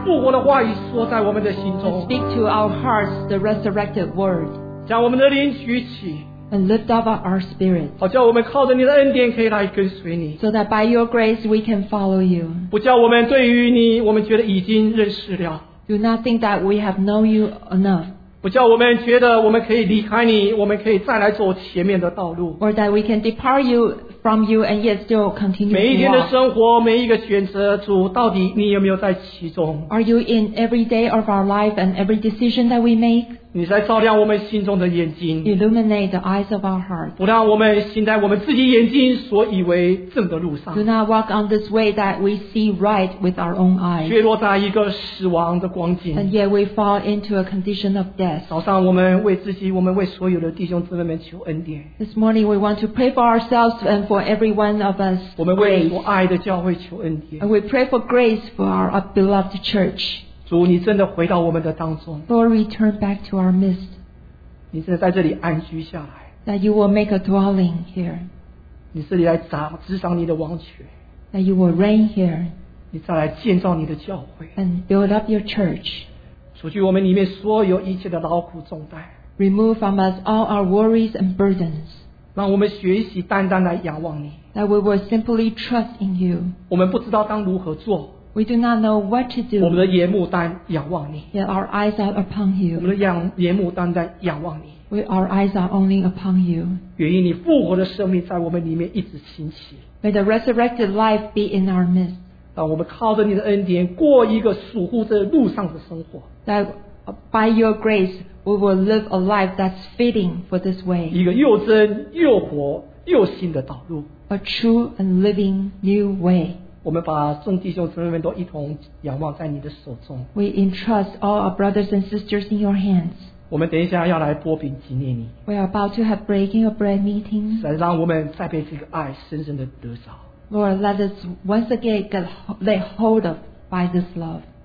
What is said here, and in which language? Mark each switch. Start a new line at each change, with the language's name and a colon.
English: Speak to our hearts the resurrected word.
Chinese: 将我们的灵举起,
English: and lift up our spirit.
Chinese: 好叫我们靠着你的恩典可以来跟随你。
English: So that by your grace we can follow you.
Chinese: 不叫我们对于你，我们觉得已经认识了。
English: Do not think that we have known you enough.
Chinese: 不叫我们觉得我们可以离开你，我们可以再来走前面的道路。
English: Or that we can depart you from you and yet still continue.
Chinese: 每一天的生活，每一个选择，主到底你有没有在其中？
English: Are you in every day of our life and every decision that we make?
Chinese: 你在照亮我们心中的眼睛
English: Illuminate the eyes of our heart.
Chinese: 不让我们行在我们自己眼睛所以为正的路上
English: Do not walk on this way that we see right with our own eyes.
Chinese: 却落在一个死亡的光景
English: And yet we fall into a condition of death.
Chinese: 早上我们为自己我们为所有的弟兄姊妹们求恩典
English: This morning we want to pray for ourselves and for every one of us.
Chinese: 我们为所爱的教会求恩典
English: And we pray for grace for our beloved church.
Chinese: 主你真的回到我们的当中
English: Lord return back to our midst
Chinese: 你真的在这里安居下来
English: That you will make a dwelling here
Chinese: 你这里来执掌你的王权
English: That you will reign here
Chinese: 你再来建造你的教会
English: And build up your church
Chinese: 除去我们里面所有一切的劳苦重担
English: Remove from us all our worries and burdens
Chinese: 让我们学习单单来仰望你
English: That we will simply trust in you
Chinese: 我们不知道当如何做
English: We do not know what to do.
Chinese: 我们的眼目单仰望你。
English: Yet our eyes are upon you.
Chinese: 我们的眼目单单仰望你。
English: We our eyes are only upon you.
Chinese: 愿意你复活的生命在我们里面一直兴起。
English: May the resurrected life be in our midst.
Chinese: 让我们靠着你的恩典过一个属乎这路上的生活。
English: That by your grace we will live a life that's fitting for this way.
Chinese: 一个又真又活又新的道路。
English: A true and living new way.
Chinese: 我们把众弟兄姊妹们都一同仰望在你的手中。
English: We entrust all our brothers and sisters in your hands.
Chinese: 我们等一下要来擘饼纪念你。
English: We are about to have breaking of bread meeting.
Chinese: 神让我们再被这个爱深深的得着。
English: Lord, let us once again get laid hold of by this love.